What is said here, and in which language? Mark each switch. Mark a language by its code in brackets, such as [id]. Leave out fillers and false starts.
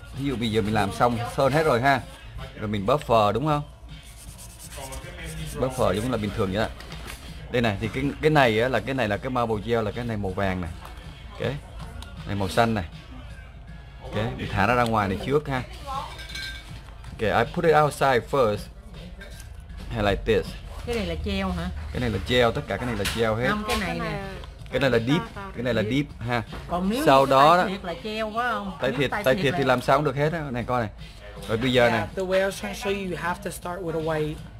[vi] Ví dụ bây giờ mình làm xong sơn hết rồi ha, rồi mình buffer đúng không? Buffer giống là bình thường vậy đó. Đây này thì cái này á, là cái này là cái marble gel, là cái này màu vàng này, cái này màu xanh này, cái mình thả nó ra ngoài này trước ha. [en] Okay, I put it outside first, hay like this. [vi] Cái này là gel hả? Cái này là gel, tất cả cái này là gel hết. Không, cái này nè. Cái này là deep, cái này là deep ha. Còn nếu sau đó là gel quá không? Tay thiệt thì làm sao cũng được hết á. Này coi này. Rồi bây giờ này. [en] The way I was trying to show you, you have to start with a white.